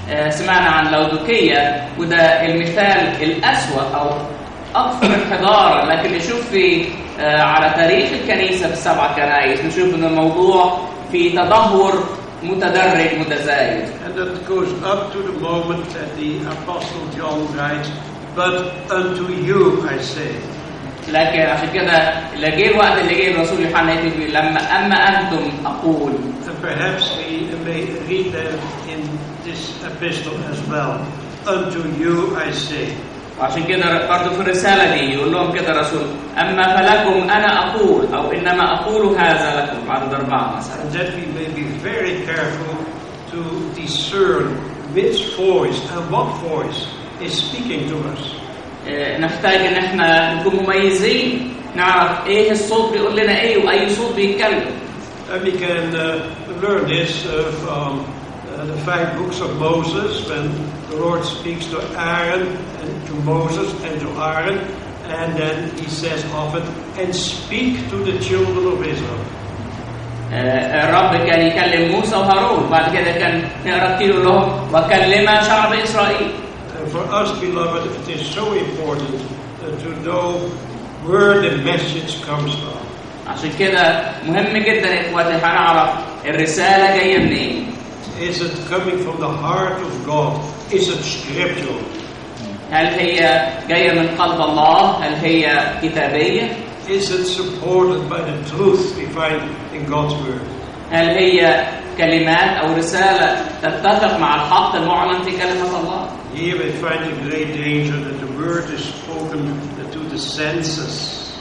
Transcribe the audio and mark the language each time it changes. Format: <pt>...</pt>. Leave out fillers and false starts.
<ar>سمعنا عن لودوكية وده المثال الأسوأ أو أكثر انحدارا لكن نشوف في على تاريخ الكنيسة بسبع كنائس نشوف أن الموضوع في تدهور متدرج متزايد.</ar> <en>And it goes up to the moment that the Apostle John writes, "But unto you I say."</en> <ar>لكن عشان كده لجي الوقت اللي جاي الرسول يوحنا يكتب لما أما أنتم أقول.</ar> <en>And perhaps we may read that in this epistle as well. Unto you I say.</en> <ar>عشان كده برضو في الرسالة دي يقول لهم كده رسول أما فلكم أنا أقول أو إنما أقول هذا لكم بعد أربعة مثلا.</ar> <en>And that we may be very careful to discern which voice and what voice is speaking to us.</en> <ar>نحتاج إن إحنا نكون مميزين نعرف إيه الصوت بيقول لنا إيه وأي صوت بيتكلم.</ar> <en>And we can learn this from the five books of Moses when the Lord speaks to Aaron and to Moses and to Aaron and then he says often and speak to the children of Israel.</en> <ar>الرب كان يكلم موسى وهارون بعد كده كان يرتل لهم وكلم شعب إسرائيل.</ar> <en>For us beloved it is so important to know where the message comes from.</en> <ar>عشان كده مهم جدا إخواتي هنعرف الرسالة جاية منين.</ar> <en>Is it coming from the heart of God? Is it scriptural?</en> <ar>هل هي جاية من قلب الله؟ هل هي كتابية؟</ar> <en>Is it supported by the truth we find in God's word?</en> <ar>هل هي كلمات أو رسالة تتفق مع الحق المعلن في كلمة الله؟</ar> <en>Here we find a great danger that the word is spoken to the senses.</en>